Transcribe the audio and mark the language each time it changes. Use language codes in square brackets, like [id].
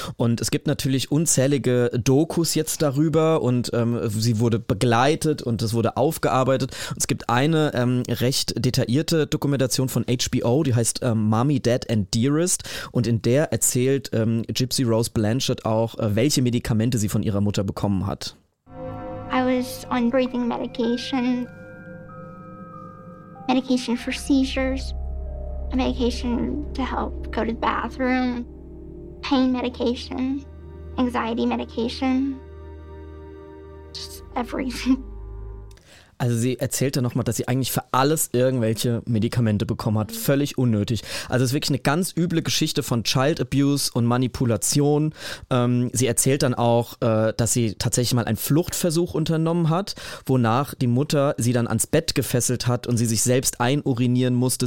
[de] Und es gibt natürlich unzählige Dokus jetzt darüber und sie wurde begleitet und es wurde aufgearbeitet. Und es gibt eine recht detaillierte Dokumentation von HBO, die heißt Mommy, Dad and Dearest. Und in der erzählt Gypsy Rose Blanchard auch, welche Medikamente sie von ihrer Mutter bekommen hat. [en] I was on breathing medication. Medication for seizures. A medication to help go to the bathroom, pain medication, anxiety medication, just everything. [de] Also sie erzählte nochmal, dass sie eigentlich für alles irgendwelche Medikamente bekommen hat. Völlig unnötig. Also es ist wirklich eine ganz üble Geschichte von Child Abuse und Manipulation. Sie erzählt dann auch, dass sie tatsächlich mal einen Fluchtversuch unternommen hat, wonach die Mutter sie dann ans Bett gefesselt hat und sie sich selbst einurinieren musste.